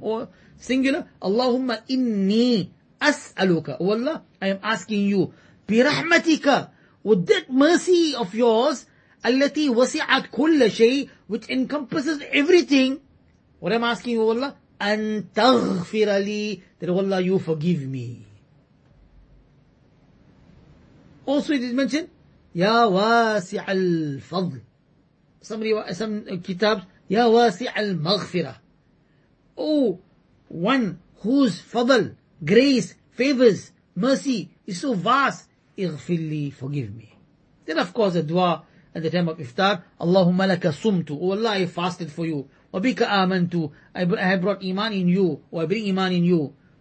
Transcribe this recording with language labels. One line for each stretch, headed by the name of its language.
English: Or singular,
Arabic: Allahumma inni as'aluka,
English: O Allah, I am asking you,
Arabic: bi rahmatika,
English: with that mercy of yours,
Arabic: allati wasi'at kulla shay,
English: which encompasses everything. What am I asking you, O Allah?
Arabic: أن تغفر لي,
English: that oh Allah, you forgive me. Also it is mentioned,
Arabic: يا واسع الفضل.
English: Some kitabs,
Arabic: يا واسع المغفرة.
English: Oh, one whose fadl, grace, favors, mercy is so vast,
Arabic: اغفر لي,
English: forgive me. Then of course a dua at the time of iftar,
Arabic: اللهم لك صمت,
English: oh Allah, I fasted for you.
Arabic: وَبِكَ آمَنْتُ,
English: I have brought iman in you, or I bring iman in you.